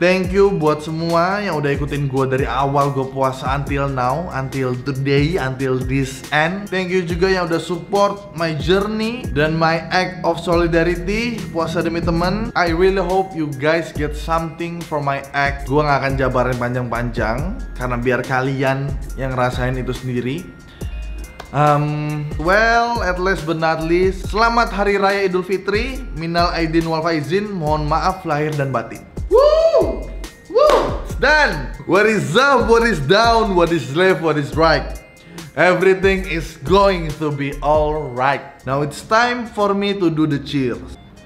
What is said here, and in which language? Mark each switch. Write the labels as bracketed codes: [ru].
[id] Thank you buat semua yang udah ikutin gua dari awal gua puasa [en] until now, until today, until this end. [id] Thank you juga yang udah [en] support my journey [id] dan [en] my act of solidarity [id] puasa demi teman. [en] I really hope you guys get something from my act. [id] Gua gak akan jabarin panjang-panjang karena biar kalian yang ngerasain itu sendiri. [en] Well, at least but not least, [id] selamat Hari Raya Idul Fitri. Minal Aidin wal Faizin, mohon maaf lahir dan batin. Woo! Woo! [en] It's done! What is up, what is down, what is left, what is right? Everything is going to be alright. Now it's time for me to do the cheers.